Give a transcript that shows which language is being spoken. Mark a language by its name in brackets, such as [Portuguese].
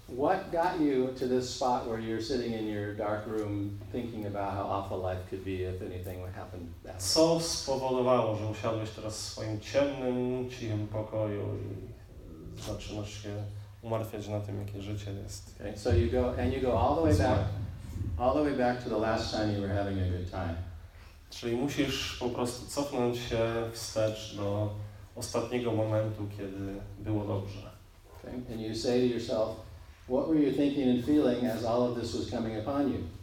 [English] What got you to this spot where you're sitting in your dark room thinking about how awful life could be if anything would happen? [Polish] Co spowodowało, że usiadłeś teraz w swoim ciemnym, cichym pokoju i zaczynasz się umartwiać na tym, jakie życie jest? [English] Okay, so you go and you go all the way back to the last time you were having a good time. [Polish] Czyli musisz po prostu cofnąć się wstecz do ostatniego momentu, kiedy było dobrze. [English] Okay. And you say to yourself, what were you thinking and feeling as all of this was coming upon you?